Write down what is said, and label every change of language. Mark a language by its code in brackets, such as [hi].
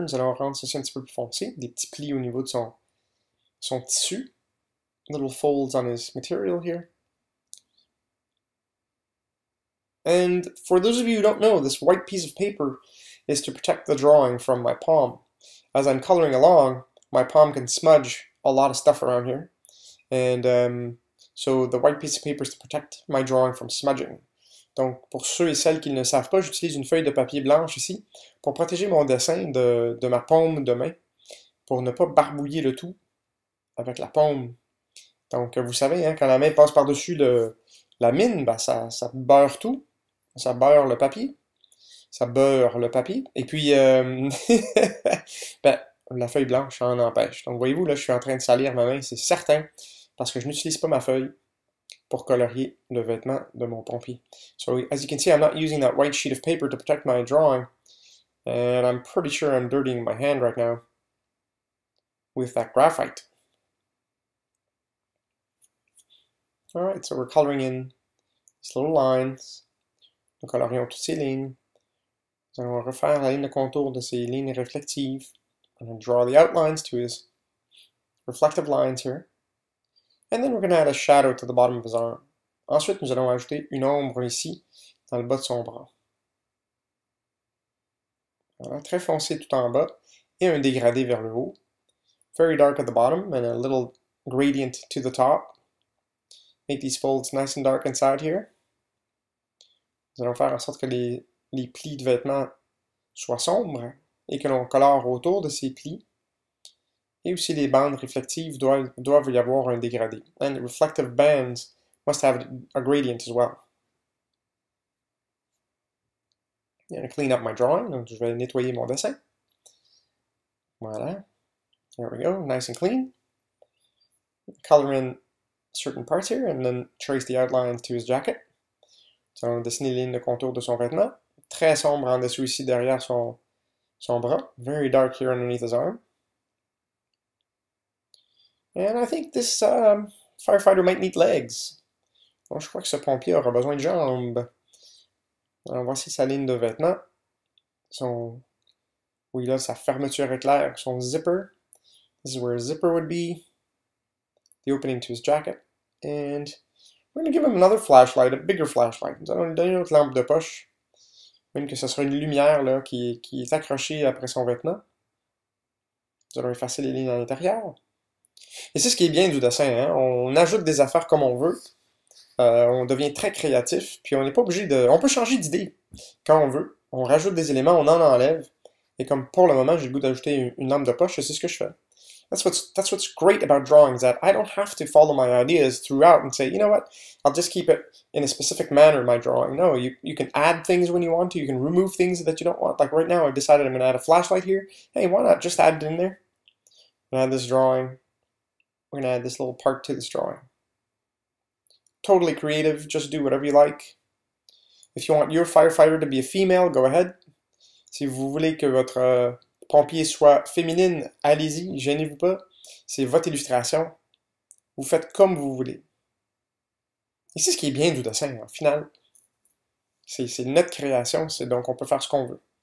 [fr] Nous allons rendre ceci un petit peu plus foncé. Des petits plis au niveau de son tissu. [en] Little folds on his material here. And for those of you who don't know, this white piece of paper is to protect the drawing from my palm. As I'm coloring along, my palm can smudge a lot of stuff around here. And so the white piece of paper is to protect my drawing from smudging. [fr] Donc, pour ceux et celles qui ne le savent pas, j'utilise une feuille de papier blanche ici pour protéger mon dessin de ma paume de main, pour ne pas barbouiller le tout avec la paume. Donc, vous savez, hein, quand la main passe par-dessus la mine, ben, ça beurre tout. Ça beurre le papier. Ça beurre le papier. Et puis, ben, la feuille blanche en empêche. Donc, voyez-vous, là, je suis en train de salir ma main, c'est certain, parce que je n'utilise pas ma feuille pour colorier le vêtement de mon pompier. [en] So, as you can see, I'm not using that white sheet of paper to protect my drawing. And I'm pretty sure I'm dirtying my hand right now with that graphite. All right, so we're coloring in these little lines. [fr] Nous colorions toutes ces lignes. Nous allons refaire la ligne de contour de ces lignes réflectives. [en] I'm going to draw the outlines to his reflective lines here. And then we're going to add a shadow to the bottom of his arm. [fr] Ensuite, nous allons ajouter une ombre ici, dans le bas de son bras. Voilà, très foncé tout en bas et un dégradé vers le haut. [en] Very dark at the bottom and a little gradient to the top. Make these folds nice and dark inside here. [fr] Nous allons faire en sorte que les plis de vêtements soient sombres et que l'on colore autour de ces plis. Et aussi les bandes réflectives doivent y avoir un dégradé. [en] And reflective bands must have a gradient as well. I'm going to clean up my drawing. [fr] Donc je vais nettoyer mon dessin. Voilà. [en] There we go. Nice and clean. Color in certain parts here and then trace the outline to his jacket. [fr] Nous allons dessiner les lignes de contour de son vêtement. Très sombre en dessous ici derrière son bras. [en] Very dark here underneath his arm. And I think this firefighter might need legs. [fr] Bon, je crois que ce pompier aura besoin de jambes. Alors voici sa ligne de vêtement. Où il a sa fermeture éclair, son zipper. This is where his zipper would be. The opening to his jacket. And we're going to give him another flashlight, a bigger flashlight. Nous allons lui donner une autre lampe de poche. Même que ce soit une lumière là, qui est accrochée après son vêtement. Nous allons effacer les lignes à l'intérieur. Et c'est ce qui est bien du dessin, hein? On ajoute des affaires comme on veut. On devient très créatif. Puis on n'est pas obligé de. On peut changer d'idée quand on veut. On rajoute des éléments, on en enlève. Et comme pour le moment, j'ai le goût d'ajouter une lampe de poche, c'est ce que je fais. [en] That's what's great about drawing, that I don't have to follow my ideas throughout and say, you know what, I'll just keep it in a specific manner in my drawing. No, you can add things when you want to, you can remove things that you don't want. Like right now, I've decided I'm going to add a flashlight here. Hey, why not just add it in there? And add this drawing. We're going to add this little part to this drawing. Totally creative, just do whatever you like. If you want your firefighter to be a female, go ahead. [fr] Si vous voulez que votre pompier soit féminine, allez-y, gênez-vous pas. C'est votre illustration. Vous faites comme vous voulez. Et c'est ce qui est bien du dessin, au final. C'est notre création, c'est donc on peut faire ce qu'on veut.